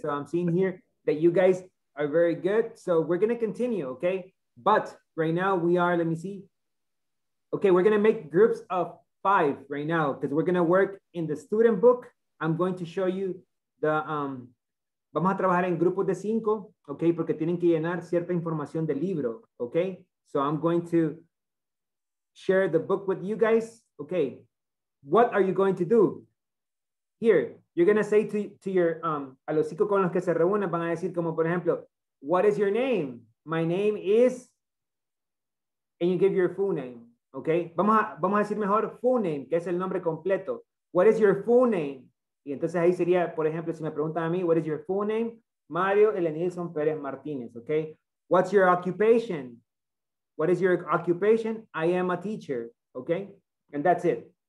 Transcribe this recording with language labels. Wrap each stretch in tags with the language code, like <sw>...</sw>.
<en>So I'm seeing here that you guys are very good. So we're going to continue, okay? But right now we are, let me see. Okay, we're going to make groups of five right now because we're going to work in the student book. I'm going to show you the,</en> <es>vamos a trabajar en grupos de cinco, okay? Porque tienen que llenar cierta información del libro, okay?</es> <en>So I'm going to share the book with you guys, okay? What are you going to do? Here, you're going to say to your,</en> <es>a los cinco con los que se reúnen, van a decir como por ejemplo,</es> <en>what is your name? My name is, and you give your full name, okay?</en> <es>Vamos a decir mejor</es> <en>full name,</en> <es>que es el nombre completo.</es> <en>What is your full name?</en> <es>Y entonces ahí sería, por ejemplo, si me preguntan a mí,</es> <en>what is your full name? Mario Elenilson Pérez Martínez, okay? What's your occupation? What is your occupation? I am a teacher, okay? And that's it.</en>